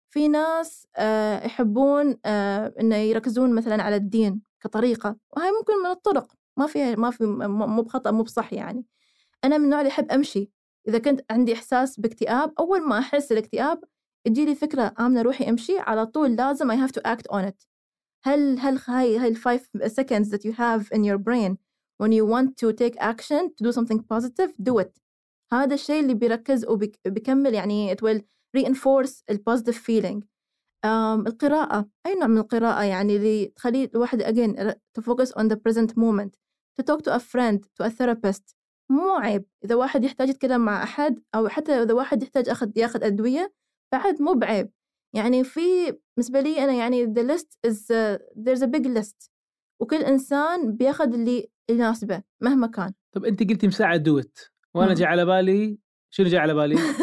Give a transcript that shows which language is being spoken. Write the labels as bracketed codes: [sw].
[ar] في ناس يحبون إنه يركزون مثلاً على الدين كطريقة وهي ممكن من الطرق ما في مو بخطأ مو بصح. يعني أنا من النوع اللي أحب أمشي، إذا كنت عندي إحساس باكتئاب أول ما أحس الاكتئاب تجي لي فكرة أمنا روحي أمشي على طول لازم [en] I have to act on it. [ar] هل هاي [en] 5 seconds that you have in your brain when you want to take action to do something positive do it. [ar] هذا الشيء اللي بيركز وبيكمل يعني [en] it will reinforce the positive feeling. [ar] القراءة أي نوع من القراءة يعني اللي تخلي الواحد [en] again to focus on the present moment. To talk to a friend to a therapist [ar] مو عيب. إذا واحد يحتاج يتكلم مع أحد أو حتى إذا واحد يحتاج ياخد أدوية بعد مو بعيب. يعني في بالنسبة لي أنا يعني [en] the list is there's a big list [ar] وكل إنسان بياخد اللي يناسبه مهما كان. طب أنت قلتي مساعد دوت وأنا جاء على بالي شنو جاء على بالي؟